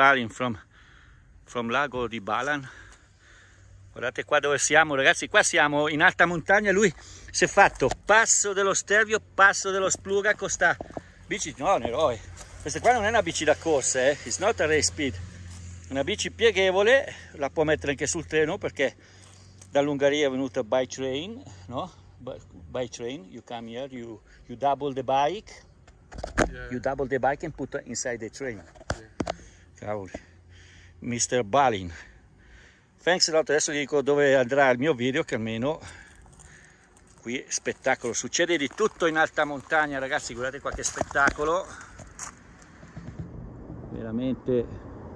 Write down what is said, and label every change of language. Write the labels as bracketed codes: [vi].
[en] from [it] Lago di Balan. Guardate qua dove siamo, ragazzi, qua siamo in alta montagna, lui si è fatto passo dello Stelvio, passo dello Spluga con sta bici. No, un eroe. Questa qua non è una bici da corsa, eh. [en] It's not a race speed. [it] Una bici pieghevole, la può mettere anche sul treno perché dall'Ungheria è venuta [en] by train, [it] no? [en] By train, you come here, you double the bike. Yeah. You double the bike and put it inside the train. Yeah. [it] Cavoli. [en] Mr. Balin. Thanks a lot. [it] Adesso gli dico dove andrà il mio video, che almeno qui spettacolo. Succede di tutto in alta montagna, ragazzi. Guardate qua che spettacolo. Veramente.